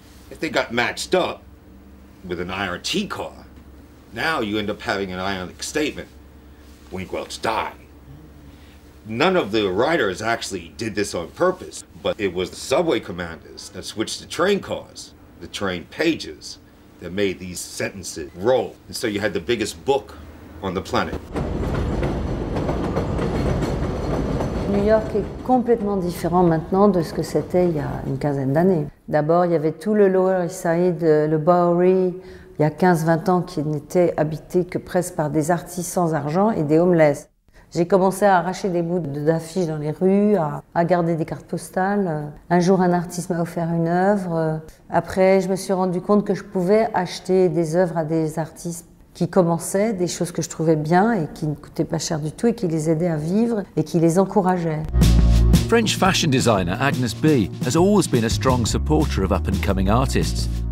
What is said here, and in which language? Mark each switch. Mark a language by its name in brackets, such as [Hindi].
[English] If they got matched up with an IRT car, now you end up having an ionic statement, Wink, Welch, Die. None of the writers actually did this on purpose, but it was the subway commanders that switched the train cars, the train pages, that made these sentences roll. And so you had the biggest book on the planet. [French] New York est complètement différent maintenant de ce que c'était il y a une quinzaine d'années. D'abord, il y avait tout le Lower East Side, le Bowery, il y a 15-20 ans, qui n'était habité que presque par des artistes sans argent et des homeless. J'ai commencé à arracher des bouts d'affiches dans les rues, à garder des cartes postales. Un jour, un artiste m'a offert une œuvre. Après, je me suis rendu compte que je pouvais acheter des œuvres à des artistes qui commençaient, des choses que je trouvais bien et qui ne coûtaient pas cher du tout et qui les aidaient à vivre et qui les encourageaient. [English] French fashion designer Agnes B has always been a strong supporter of up-and-coming artists.